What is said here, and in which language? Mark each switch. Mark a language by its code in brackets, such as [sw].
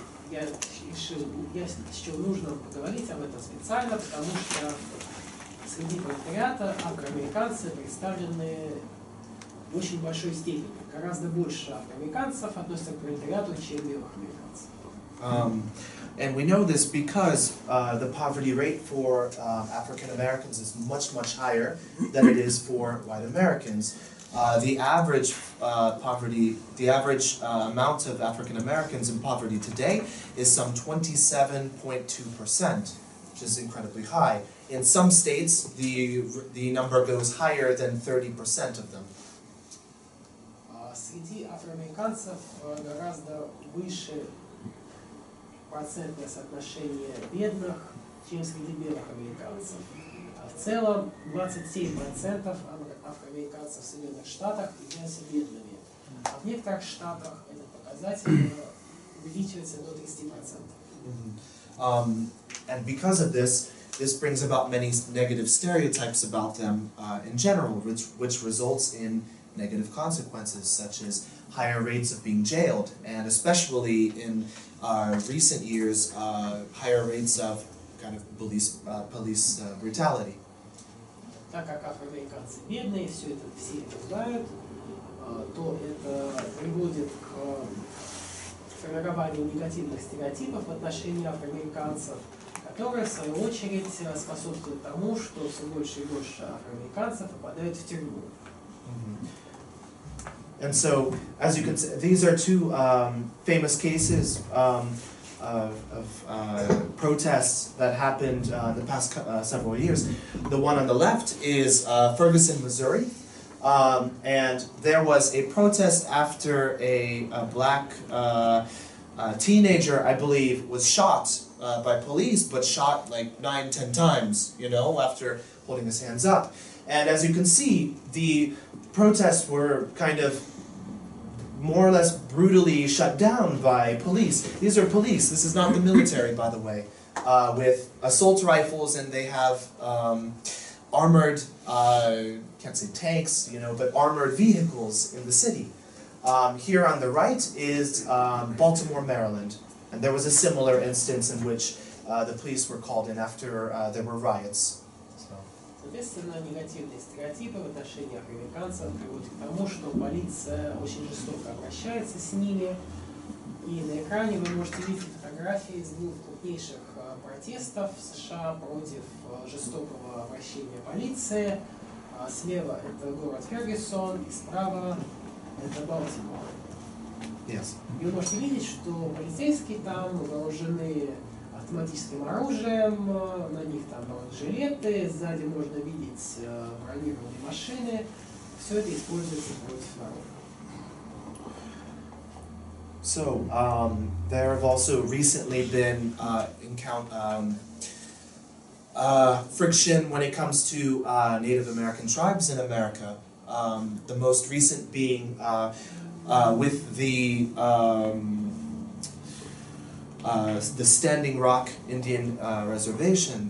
[ru] Я решил, я счел нужно поговорить об этом специально, потому что среди пролетариата афроамериканцы представлены в очень большой степени. Гораздо больше афроамериканцев относятся к пролетариату, чем белых американцев. [en] And we know this because the poverty rate for African Americans is much, much higher than it is for white Americans. The average poverty, the average amount of African Americans in poverty today is some 27.2%, which is incredibly high. In some states, the number goes higher than 30% of them. [ru] Среди афроамериканцев гораздо выше процентное соотношение бедных, чем среди белых американцев. А в целом 27% афроамериканцев в Соединенных Штатах являются бедными. А в некоторых штатах этот показатель увеличивается до 30%. Mm-hmm. [en] And because of this, this brings about many negative stereotypes about them in general, which results in negative consequences, such as higher rates of being jailed, and especially in recent years, higher rates of kind of police brutality. [ru] Так как афроамериканцы бедные, все это все знают, то это приводит к формированию негативных стереотипов в отношении афроамериканцев, которые в свою очередь способствуют тому, что все больше и больше афроамериканцев попадают в тюрьму. [en] And so, as you can see, these are two famous cases of protests that happened the past several years. The one on the left is Ferguson, Missouri, and there was a protest after a black teenager, I believe, was shot by police, but shot like 9-10 times, you know, after holding his hands up. And as you can see, the protests were kind of more or less brutally shut down by police. These are police, this is not the military, by the way, with assault rifles, and they have armored, can't say tanks, you know, but armored vehicles in the city. Here on the right is Baltimore, Maryland, and there was a similar instance in which the police were called in after there were riots. [ru] Соответственно, негативные стереотипы в отношении американцев приводят к тому, что полиция очень жестоко обращается с ними. И на экране вы можете видеть фотографии из двух крупнейших протестов в США против жестокого обращения полиции. Слева это город Фергюсон, и справа это Балтимор. [en] Yes. [ru] Вы можете видеть, что полицейские там вооружены автоматическим оружием, на них там жилеты, сзади можно видеть бронированные машины. Все это используется против народа. [en] So, there have also recently been friction when it comes to Native American tribes in America. The most recent being with the Standing Rock Indian Reservation.